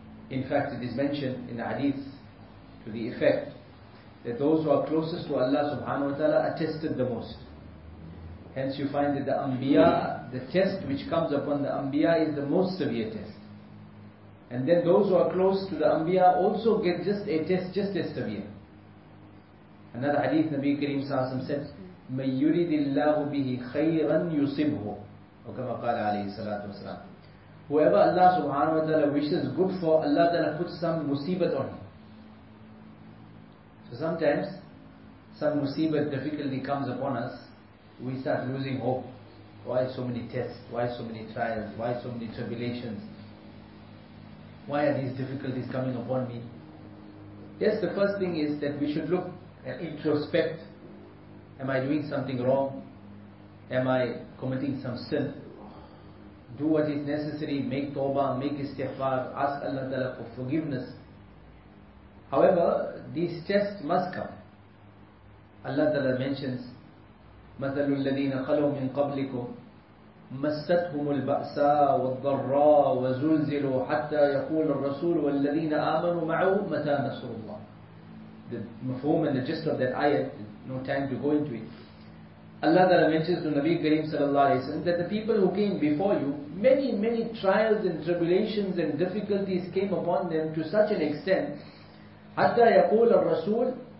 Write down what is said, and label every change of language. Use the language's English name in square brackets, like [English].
[English] In fact, it is mentioned in the hadith to the effect that those who are closest to Allah subhanahu wa ta'ala are tested the most. Hence you find that the anbiya, the test which comes upon the anbiya is the most severe test. And then those who are close to the anbiya also get just a test, just as severe. Another hadith, Nabi Kareem sallallahu alayhi wa sallam said, [Arabic] مَن يُرِدِ اللَّهُ بِهِ خَيْرًا يُصِبْهُ وَكَمَا قَالَ عَلَيْهِ السَّلَاةُ وَسَلَامُ. [English] Whoever Allah subhanahu wa ta'ala wishes good for, Allah ta'ala puts some musibat on him. So sometimes, some musibat, difficulty comes upon us, we start losing hope. Why so many tests? Why so many trials? Why so many tribulations? Why are these difficulties coming upon me? Yes, the first thing is that we should look and introspect. Am I doing something wrong? Am I committing some sin? Do what is necessary, make tawbah, make istighfar, ask Allah Ta'ala for forgiveness. However, these tests must come. Allah Ta'ala mentions, [Arabic] مَثَلُ الَّذِينَ خَلَوْا مِنْ قَبْلِكُمْ مَسَّتْهُمُ الْبَأْسَاءُ وَالضَّرَّاءُ وَزُلْزِلُوا حَتَّى يَقُولَ الرَّسُولُ وَالَّذِينَ آمَنُوا مَعَهُ مَتَى نَصْرُ اللَّهِ. [English] The mafhoom and the gist of that ayat, no time to go into it. Allah Ta'ala mentions to Nabi Kareem sallallahu alayhi wa sallam that the people who came before you, many, many trials and tribulations and difficulties came upon them to such an extent, [Arabic] حَتَّى يَقُولَ الرَّسُولُ